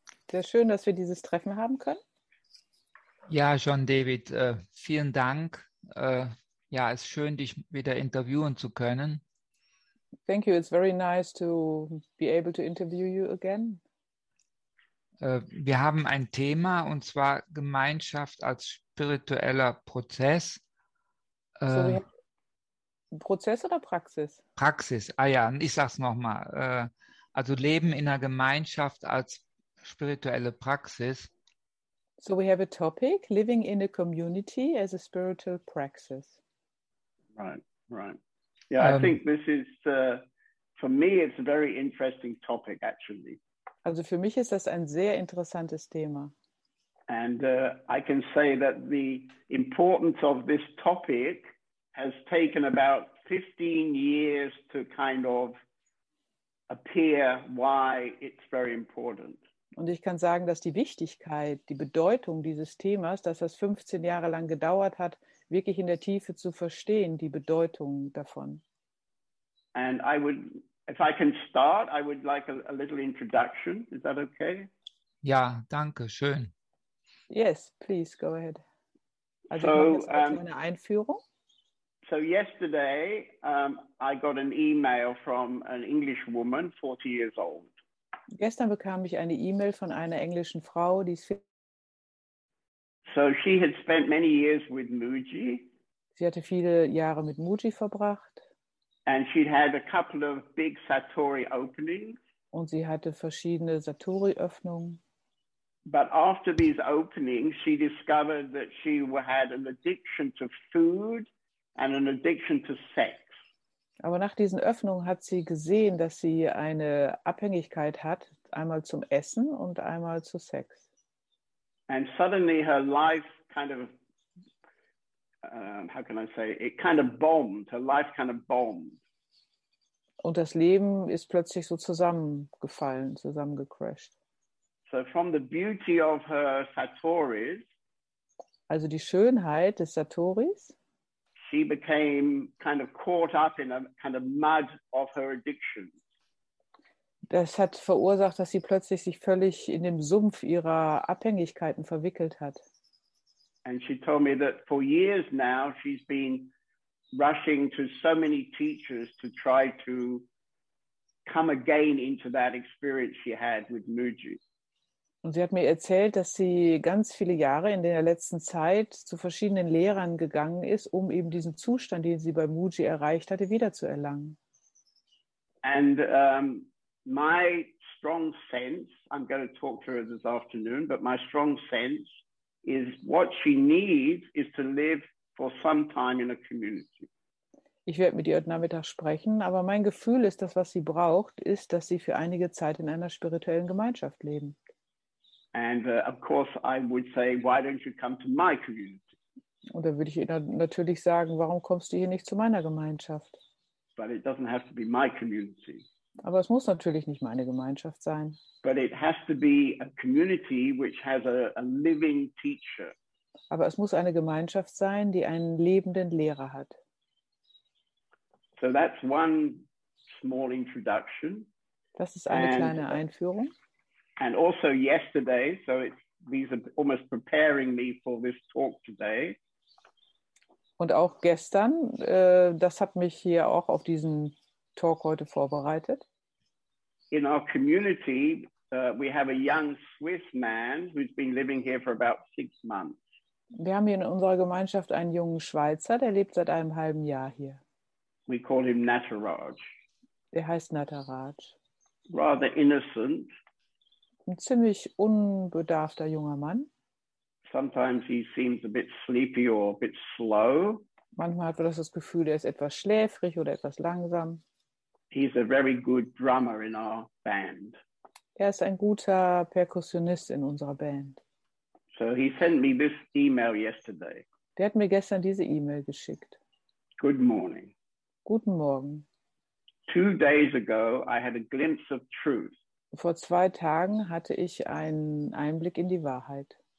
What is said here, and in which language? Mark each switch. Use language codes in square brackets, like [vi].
[de] Sehr schön, dass wir dieses Treffen haben können. Ja, John David, vielen Dank. Ja, es ist schön, dich wieder interviewen zu können. [en] Thank you. It's very nice to be able to interview you again. [de] Wir haben ein Thema, und zwar Gemeinschaft als spiritueller Prozess. So, Prozess oder Praxis? Praxis. Ah ja, ich sag's nochmal. Also Leben in einer Gemeinschaft als spirituelle Praxis. [en] So we have a topic, living in a community as a spiritual praxis. Right, right. Yeah, I think this is, for me, it's a very interesting topic, actually. [de] Also für mich ist das ein sehr interessantes Thema. [en] And I can say that the importance of this topic has taken about 15 years to kind of appear why it's very important. [de] Und ich kann sagen, dass die Wichtigkeit, die Bedeutung dieses Themas, dass das 15 Jahre lang gedauert hat, wirklich in der Tiefe zu verstehen, die Bedeutung davon. [en] And I would, if I can start, I would like a little introduction. Is that okay? [de] Ja, danke, schön. [en] Yes, please, go ahead. [de] Also eine Einführung. [en] So yesterday, I got an email from an English woman, 40 years old. [de] Gestern bekam ich eine E-Mail von einer englischen Frau, die ist [en] So she had spent many years with Muji. [de] Sie hatte viele Jahre mit Muji verbracht. [en] And she had a couple of big Satori openings. [de] Und sie hatte verschiedene Satori-Öffnungen. [en] But after these openings, she discovered that she had an addiction to food and an addiction to sex. [de] Aber nach diesen Öffnungen hat sie gesehen, dass sie eine Abhängigkeit hat, einmal zum Essen und einmal zu Sex. [en] And suddenly her life kind of, how can I say, it kind of bombed, her life kind of bombed. [de] Und das Leben ist plötzlich so zusammengefallen, zusammengecrashed. [en] So from the beauty of her Satoris, [de] also die Schönheit des Satoris, [en] she became kind of caught up in a kind of mud of her addiction. [de] Das hat verursacht, dass sie plötzlich sich völlig in dem Sumpf ihrer Abhängigkeiten verwickelt hat. [en] And she told me that for years now she's been rushing to so many teachers to try to come again into that experience she had with Muji. [de] Und sie hat mir erzählt, dass sie ganz viele Jahre in der letzten Zeit zu verschiedenen Lehrern gegangen ist, um eben diesen Zustand, den sie bei Muji erreicht hatte, wiederzuerlangen. [en] And my strong sense, I'm going to talk to her this afternoon, but my strong sense is what she needs is to live for some time in a community. [de] Ich werde mit ihr heute Nachmittag sprechen, aber mein Gefühl ist, dass was sie braucht, ist, dass sie für einige Zeit in einer spirituellen Gemeinschaft leben. [en] And of course I would say, why don't you come to my community? [de] Und dann würde ich ihr natürlich sagen, warum kommst du hier nicht zu meiner Gemeinschaft? [en] But it doesn't have to be my community. [de] Aber es muss natürlich nicht meine Gemeinschaft sein. [en] But it has to be a community which has a living teacher. [de] Aber es muss eine Gemeinschaft sein, die einen lebenden Lehrer hat. [en] So that's one small introduction. [de] Das ist eine kleine Einführung. [en] And also yesterday, so it's, these are almost preparing me for this talk today. [de] Und auch gestern, das hat mich hier auch auf diesen Talk heute vorbereitet. [en] In our community, we have a young Swiss man who's been living here for about 6 months. [de] Wir haben hier in unserer Gemeinschaft einen jungen Schweizer, der lebt seit einem halben Jahr hier. [en] We call him Nataraj. [de] Er heißt Nataraj. [en] Rather innocent. [de] Ein ziemlich unbedarfter junger Mann. [en] Sometimes he seems a bit sleepy or a bit slow. [de] Manchmal hat man das Gefühl, er ist etwas schläfrig oder etwas langsam. [en] He's a very good drummer in our band. [de] Er ist ein guter Perkussionist in unserer Band. [en] So he sent me this email yesterday. [de] Der hat mir gestern diese E-Mail geschickt. [en] Good morning. [de] Guten Morgen. [en] 2 days ago I had a glimpse of truth. [de] Vor 2 Tagen hatte ich einen Einblick in die Wahrheit.